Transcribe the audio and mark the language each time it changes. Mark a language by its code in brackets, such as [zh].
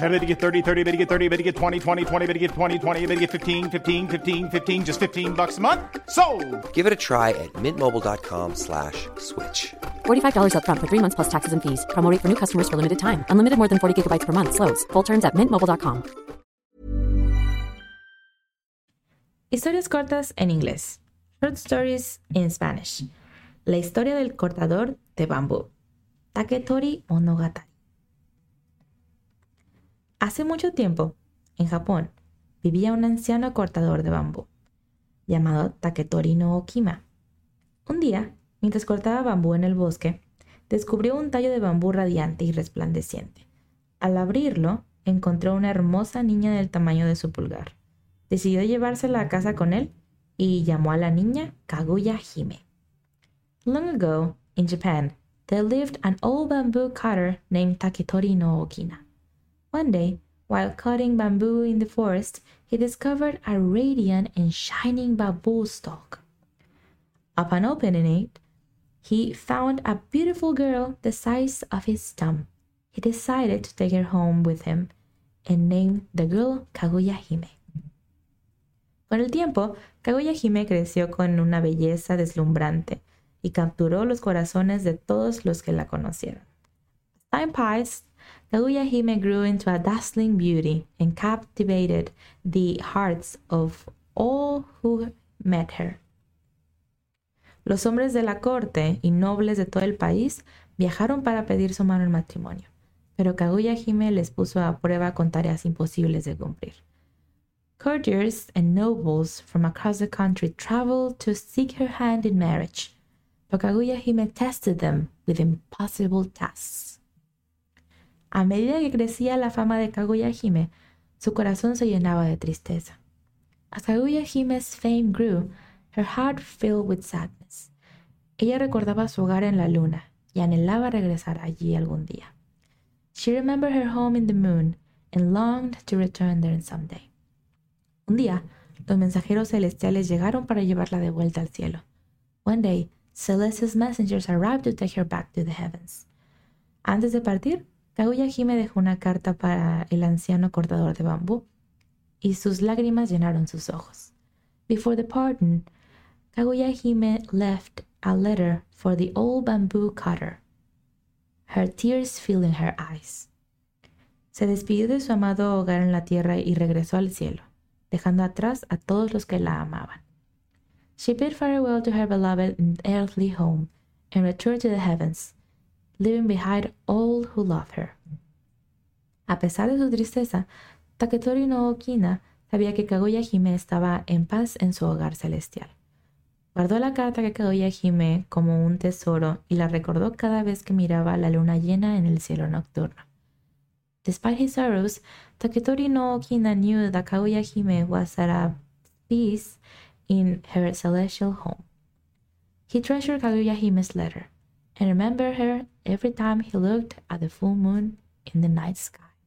[en] I bet you get 30, 30, I bet you get 30, I bet you get 20, 20, 20, I bet you get 20, 20, I bet you get 15, 15, 15, 15, just $15 a month, sold. Give it a try at mintmobile.com/switch. $45 up front for 3 months plus taxes and fees. Promo rate for new customers for limited time. Unlimited more than 40 gigabytes per month. Slows full terms at mintmobile.com. [es] Historias cortas en inglés. [en] Short stories in Spanish. [es] La historia del cortador de bambú. Taketori Monogatari. Hace mucho tiempo, en Japón, vivía un anciano cortador de bambú, llamado Taketori no Okima. Un día, mientras cortaba bambú en el bosque, descubrió un tallo de bambú radiante y resplandeciente. Al abrirlo, encontró una hermosa niña del tamaño de su pulgar. Decidió llevársela a casa con él y llamó a la niña Kaguya Hime. [en] Long ago, in Japan, there lived an old bamboo cutter named Taketori no Okina. One day, while cutting bamboo in the forest, he discovered a radiant and shining bamboo stalk. Upon opening it, he found a beautiful girl the size of his thumb. He decided to take her home with him and named the girl Kaguya Hime. [es] Con el tiempo, Kaguya Hime creció con una belleza deslumbrante y capturó los corazones de todos los que la conocieron. [en] Time passed, Kaguya Hime grew into a dazzling beauty and captivated the hearts of all who met her. [es] Los hombres de la corte y nobles de todo el país viajaron para pedir su mano en matrimonio, pero Kaguya Hime les puso a prueba con tareas imposibles de cumplir. [en] Courtiers and nobles from across the country traveled to seek her hand in marriage, but Kaguya Hime tested them with impossible tasks. [es] A medida que crecía la fama de Kaguya Hime, su corazón se llenaba de tristeza. [en] As Kaguya Hime's fame grew, her heart filled with sadness. [es] Ella recordaba su hogar en la luna y anhelaba regresar allí algún día. [en] She remembered her home in the moon and longed to return there someday. [es] Un día, los mensajeros celestiales llegaron para llevarla de vuelta al cielo. [en] One day, celestial messengers arrived to take her back to the heavens. [es] Antes de partir, Kaguya Hime dejó una carta para el anciano cortador de bambú, y sus lágrimas llenaron sus ojos. [en] Before departing, Kaguya Hime left a letter for the old bamboo cutter, her tears filling her eyes. [es] Se despidió de su amado hogar en la tierra y regresó al cielo, dejando atrás a todos los que la amaban. [en] She bid farewell to her beloved earthly home and returned to the heavens, leaving behind all who loved her. [es] A pesar de su tristeza, Taketori no Okina sabía que Kaguya Hime estaba en paz en su hogar celestial. Guardó la carta que Kaguya Hime como un tesoro y la recordó cada vez que miraba la luna llena en el cielo nocturno. [en] Despite his sorrows, Taketori no Okina knew that Kaguya Hime was at a peace in her celestial home. He treasured Kaguya Hime's letter and remembered her every time he looked at the full moon in the night sky.